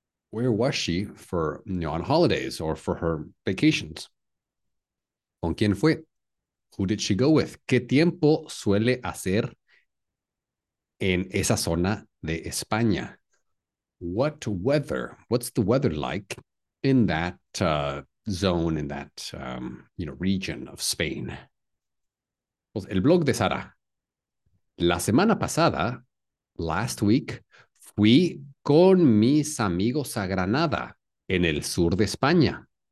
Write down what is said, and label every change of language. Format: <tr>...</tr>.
<en>Where was she for, you know, on holidays or for her vacations?</en> <es>¿Con quién fue?</es> <en>Who did she go with?</en> <es>¿Qué tiempo suele hacer en esa zona de España?</es> <en>What weather? What's the weather like in that zone, in that you know, region of Spain?</en> <es>Pues el blog de Sara. La semana pasada,</es> <en>last week,</en> <es>fui con mis amigos a Granada, en el sur de España.</es>